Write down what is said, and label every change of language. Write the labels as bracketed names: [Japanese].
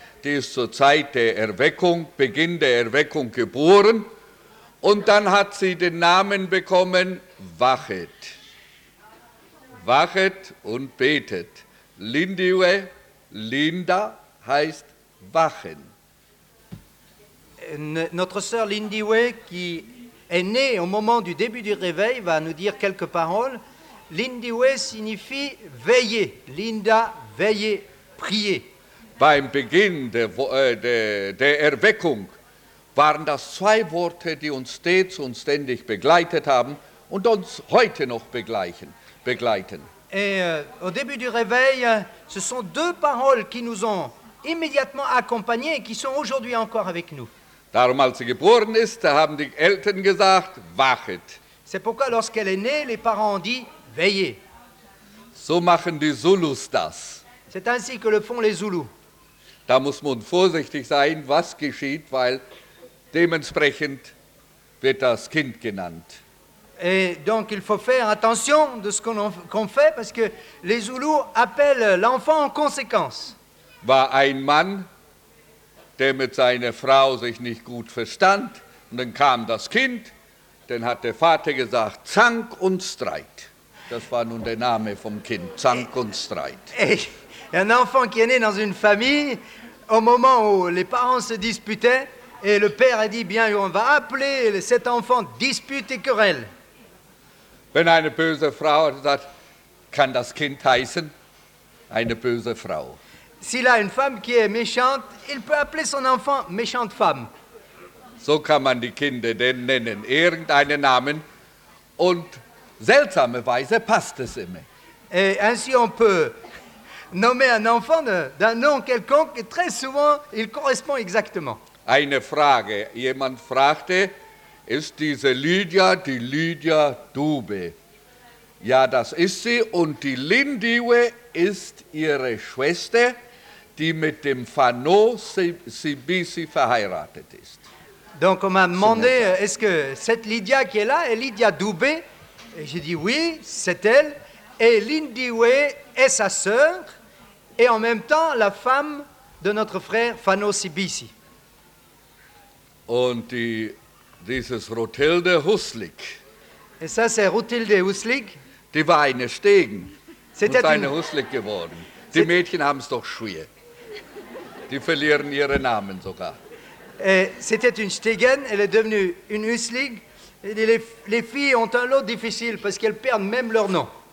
[German] Die ist zur Zeit der Erweckung, Beginn der Erweckung geboren. Und dann hat sie den Namen bekommen, Wachet. Wachet und betet. Lindiwe, Linda heißt wachen. [French] Notre sœur Lindiwe, qui est née au moment du début du réveil, va nous dire quelques paroles. Lindiwe signifie veiller. Linda, veiller, prier. [German] Beim Beginn der Erweckung waren das zwei Worte, die uns stets und ständig begleitet haben und uns heute noch begleiten. [French] Et au début du réveil, ce sont deux paroles qui nous ont immédiatement accompagnés et qui sont aujourd'hui encore avec nous. [German] Darum, als sie geboren ist, da haben die Eltern gesagt, wachet. [French] C'est pourquoi lorsqu'elle est née, les parents ont dit, veillez. [German] So machen die Zulus das. [French] C'est ainsi que le font les Zulus. [German] Da muss man vorsichtig sein, was geschieht, weil dementsprechend wird das Kind genannt. [French] Et donc il faut faire attention de ce qu'on fait, parce que les Zoulous appellent l'enfant en conséquence. [German] War ein Mann, der mit seiner Frau sich nicht gut verstand, und dann kam das Kind, dann hat der Vater gesagt, Zank und Streit. Das war nun der Name vom Kind, Zank und Streit. [French] Un enfant qui est né dans une famille, au moment où les parents se disputaient, et le père a dit, bien, on va appeler cet enfant dispute et querelle. [German] Wenn eine böse Frau sagt, kann das Kind heißen, eine böse Frau. [French] S'il a une femme qui est méchante, il peut appeler son enfant méchante femme. [German] So kann man die Kinder denn nennen, irgendeinen Namen, und seltsamerweise passt es immer. [French] Et ainsi on peut nommer un enfant d'un nom quelconque, et très souvent, il correspond exactement. [German] Eine Frage. Jemand fragte, ist diese Lydia, die Lydia Dube. Ja, das ist sie. Und die Lindiwe ist ihre Schwester, die mit dem Fano Sibisi verheiratet ist. [French] Donc on m'a demandé, est-ce que cette Lydia qui est là est Lydia Dube? Et j'ai dit oui, c'est elle. Et Lindiwe est sa sœur et en même temps la femme de notre frère Fano Sibisi. [German] Und dieses Rothilde Huslik. [French] Et ça, c'est Rothilde Huslik. [German] Die war eine Stegen. [French] C'était [German] eine Huslik geworden. Die Mädchen haben es doch schwer. Die verlieren ihre Namen sogar. [French] Et c'était une Stegen, elle est devenue une Huslik. Les filles ont un lot difficile parce qu'elles perdent même leur nom.